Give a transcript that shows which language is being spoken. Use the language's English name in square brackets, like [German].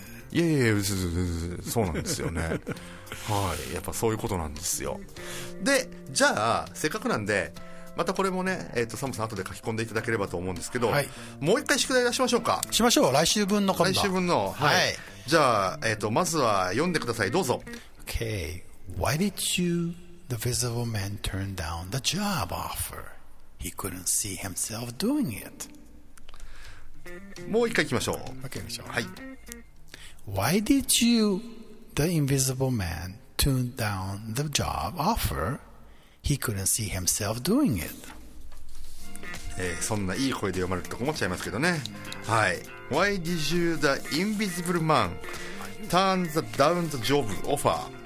[Japanese] いやいやいや、そうなんですよね。はい、やっぱそういうことなんですよ。で、じゃあせっかくなんでまたこれもね、サムさん後で書き込んでいただければと思うんですけど、はい、もう一回宿題出しましょうか。しましょう、来週分の今度。来週分の、はい、はい。じゃあ、まずは読んでください、どうぞ。 [English] Okay, why did you, the visible man, turn down the job offer? He couldn't see himself doing it. [Japanese] もう一回いきましょう。 [English] Okay, [Japanese] いきましょう。はい。 [English] Why did you, the invisible man, turn down the job offer? He couldn't see himself doing it. [Japanese] そんないい声で読まれると困っちゃいますけどね。はい。 [English] Why did you, the invisible man, turn the down the job offer?